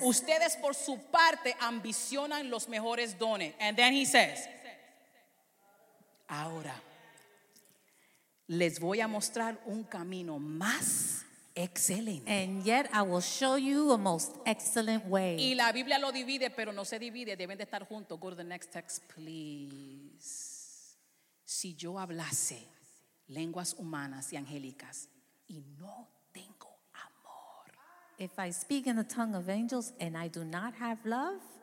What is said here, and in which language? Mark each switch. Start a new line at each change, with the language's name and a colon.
Spanish: Ustedes por su parte ambicionan los mejores dones.
English: And then he says.
Spanish: Ahora. Les voy a mostrar un camino más excelente.
English: And yet I will show you a most excellent way.
Spanish: Y la Biblia lo divide, pero no se divide. Deben de estar juntos.
English: Go to the next text, please.
Spanish: Si yo hablase lenguas humanas y angélicas y no tengo amor.
English: If I speak in the tongue of angels and I do not have love.